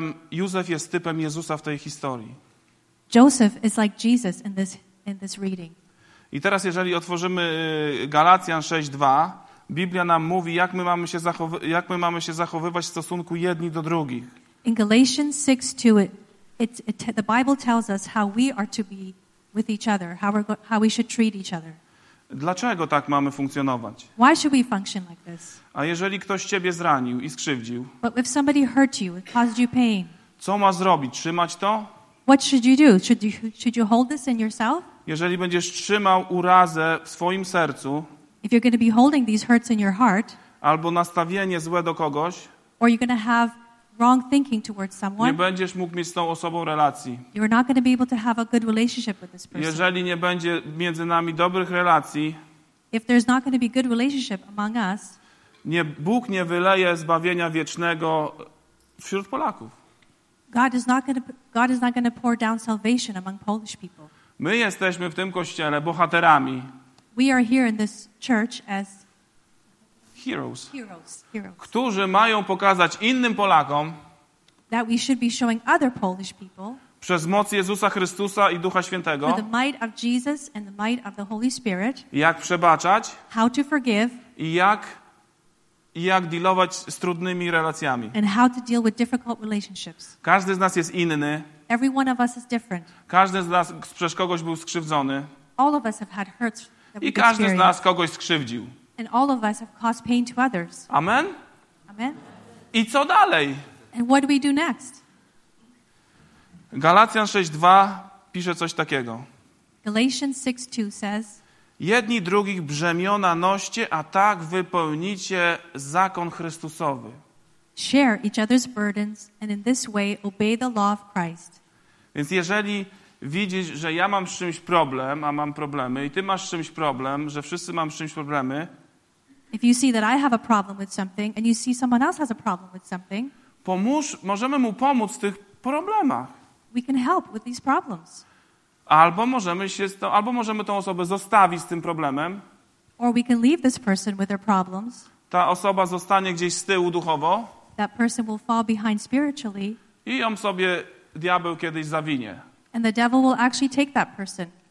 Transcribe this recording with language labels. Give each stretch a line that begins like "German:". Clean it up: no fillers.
Polish: Józef jest typem Jezusa w tej historii.
English: Joseph is like Jesus in this reading.
Polish: I teraz jeżeli otworzymy Galacjan 6:2, Biblia nam mówi, jak my mamy się zachowywać w stosunku jedni do drugich.
English: In Galatians 6:2 the Bible tells us how we are to be with each other, how we should treat each other.
Polish: Dlaczego tak mamy funkcjonować?
English: Why should we function like this?
Polish: A jeżeli ktoś ciebie zranił i skrzywdził?
English: But if somebody hurt you, it caused you pain.
Polish: Co ma zrobić? Trzymać to?
English: What should you do? Should you hold this in yourself?
Polish: Jeżeli będziesz trzymał urazę w swoim sercu,
English: if you're going to be holding these hurts in your heart,
Polish: albo nastawienie złe do kogoś,
English: or you're going to have wrong thinking towards someone,
Polish: nie będziesz mógł mieć z tą osobą relacji.
English: You are not going to be able to have a good relationship with this person.
Polish: Jeżeli nie będzie między nami dobrych relacji,
English: if there's not going to be good relationship among us,
Polish: Bóg nie wyleje zbawienia wiecznego wśród Polaków.
English: God is not going to pour down salvation among Polish people.
Polish: My jesteśmy w tym kościele bohaterami.
English: We are here in this church as Heroes.
Polish: Którzy mają pokazać innym Polakom,
English: that we should be showing other Polish people,
Polish: przez moc Jezusa Chrystusa i Ducha Świętego,
English: the might of Jesus and the might of the Holy Spirit,
Polish: jak przebaczać,
English: how to forgive,
Polish: i jak dealować z trudnymi relacjami,
English: and how to deal with difficult relationships.
Polish: Każdy z nas jest inny.
English: Every one of us is different.
Polish: Każdy z nas przez kogoś był skrzywdzony.
English: All of us have had hurts that we've
Polish: i każdy z nas kogoś skrzywdził.
English: And all of us have caused pain to others.
Polish: Amen.
English: Amen.
Polish: I co dalej?
English: And what do we do next?
Polish: Galatian 6:2 pisze coś takiego.
English: Galatians 6:2 says,
Polish: jedni drugich brzemiona noście, a tak wypełnicie zakon Chrystusowy.
English: Share each other's burdens and in this way obey the law of Christ.
Polish: Więc jeżeli widzisz, że ja mam z czymś problem, a mam problemy, i ty masz z czymś problem, że wszyscy mam z czymś problemy.
English: If you see that I have a problem with something and you see someone else has a problem with something,
Polish: możemy mu pomóc w tych problemach.
English: We can help with these problems.
Polish: Albo możemy tą osobę zostawić z tym problemem.
English: Or we can leave this person with their problems.
Polish: Ta osoba zostanie gdzieś z tyłu duchowo.
English: That person will fall behind spiritually.
Polish: I ją sobie diabeł kiedyś zawinie.
English: And the devil will actually take that person.